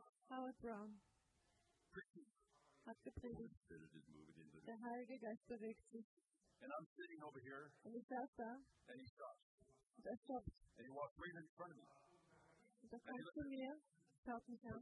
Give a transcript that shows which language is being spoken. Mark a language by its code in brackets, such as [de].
[de] Howard Brown hat gepredigt. Der Heilige Geist bewegt sich. [en] And I'm sitting over here, [de] und ich saß da. [en] And he stops. [de] Und er stoppt. [en] And he walked right in front of me. [de] Und er kommt zu mir, schaut mich an.